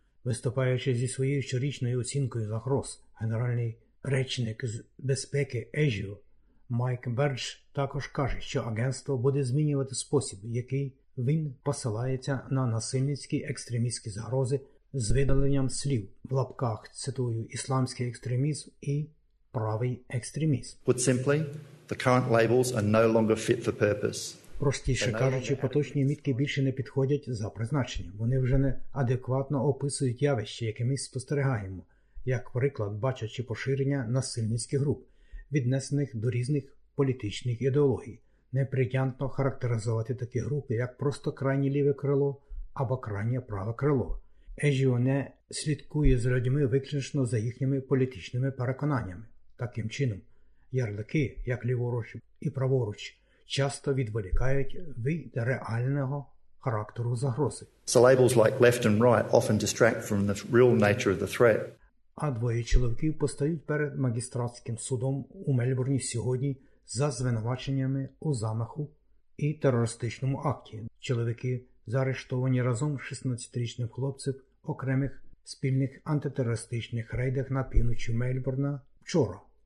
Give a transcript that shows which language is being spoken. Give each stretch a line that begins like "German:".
Ukrainian: Виступаючи зі своєю щорічною оцінкою загроз, генеральний речник з безпеки AGO Майк Бердж також каже, що агентство буде змінювати спосіб, який він посилається на насильницькі екстремістські загрози з видаленням слів, в лапках цитую, «ісламський екстремізм» і «правий екстремізм».
English: Put simply, the current labels are no longer fit for purpose.
Ukrainian: Простіше кажучи, поточні мітки більше не підходять за призначенням. Вони вже не адекватно описують явище, яке ми спостерігаємо, як, наприклад, бачачи поширення насильницьких груп, віднесених до різних політичних ідеологій. Неприйнятно характеризувати такі групи як просто крайнє ліве крило або крайнє праве крило. Ежіо не слідкує з людьми виключно за їхніми політичними переконаннями. Таким чином, ярлики, як ліворуч і праворуч, часто відволікають від реального характеру загрози.
English: So labels like left and right often distract from the real nature of the threat.
Ukrainian: А двоє чоловіків постають перед магістратським судом у Мельбурні сьогодні за звинуваченнями у замаху і терористичному акті. Чоловіки заарештовані разом з 16-річним хлопцем окремих спільних антитерористичних рейдах на півночі Мельбурна вчора.